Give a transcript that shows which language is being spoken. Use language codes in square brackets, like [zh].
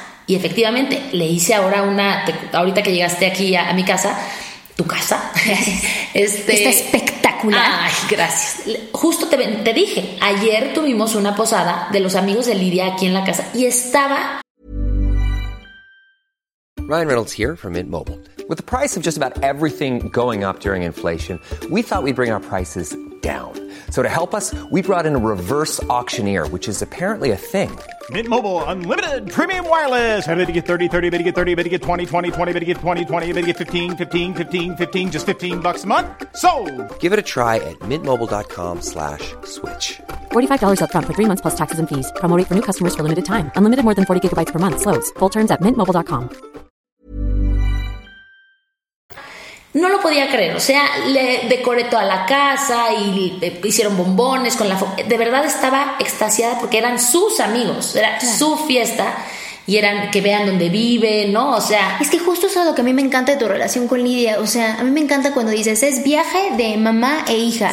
[es] Y efectivamente, le hice ahora ahorita que llegaste aquí a mi casa, tu casa. Está espectacular. Ay, gracias. Justo te dije, ayer tuvimos una posada de los amigos de Lidia aquí en la casa y estaba... [en] Ryan Reynolds here from Mint Mobile. With the price of just about everything going up during inflation, we thought we'd bring our prices down. So to help us, we brought in a reverse auctioneer, which is apparently a thing. Mint Mobile Unlimited Premium Wireless. How to get 30, 30, how to get 30, how to get 20, 20, 20, how to get 20, 20, how to get 15, 15, 15, 15, just $15 a month? Sold! Give it a try at mintmobile.com/switch. $45 up front for 3 months plus taxes and fees. Promo rate for new customers for limited time. Unlimited more than 40 gigabytes per month. Slows full terms at mintmobile.com. [es] No lo podía creer, o sea, le decoré toda la casa y hicieron bombones con la de verdad estaba extasiada porque eran sus amigos, era su fiesta y eran que vean dónde vive, ¿no? O sea, es que justo eso es lo que a mí me encanta de tu relación con Lidia, o sea, a mí me encanta cuando dices, es viaje de mamá e hija.